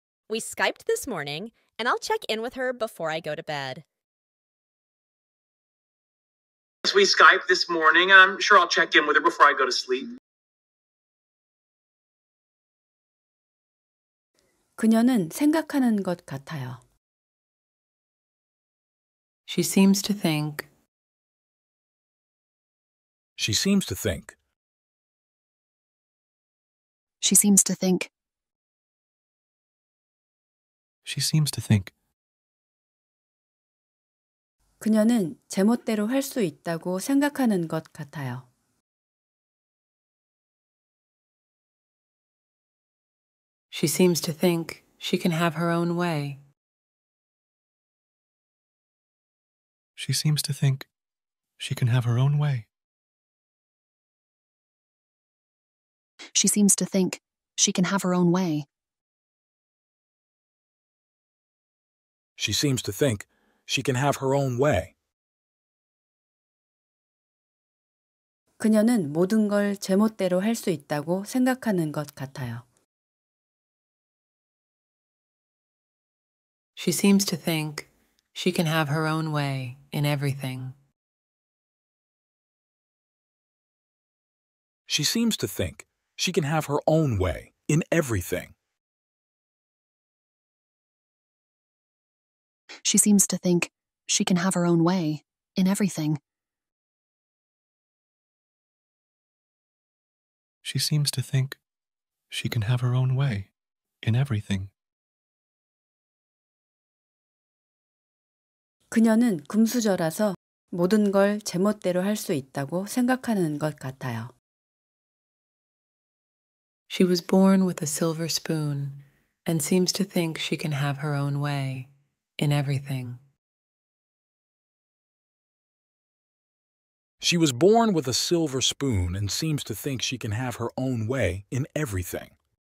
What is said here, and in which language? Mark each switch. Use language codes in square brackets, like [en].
[en] We Skyped this morning, and I'll check in with her before I go to bed. We Skyped this morning, and I'm sure I'll check in with her before I go to sleep. [ko] 그녀는 생각하는 것 같아요. [en] She seems to think. She seems to think. She seems to think. She seems to think. [ko] 그녀는 제멋대로 할 수 있다고 생각하는 것 같아요. [en] She seems to think she can have her own way. She seems to think she can have her own way. She seems to think she can have her own way. She seems to think she can have her own way. [ko] 그녀는 모든 걸 제멋대로 할 수 있다고 생각하는 것 같아요. [en] She seems to think she can have her own way in everything. She seems to think she can have her own way in everything. She seems to think she can have her own way in everything. She seems to think she can have her own way in everything. [ko] 그녀는 금수저라서 모든 걸 제멋대로 할 수 있다고 생각하는 것 같아요. [en] She was born with a silver spoon and seems to think she can have her own way in everything. She was born with a silver spoon and seems to think she can have her own way in everything.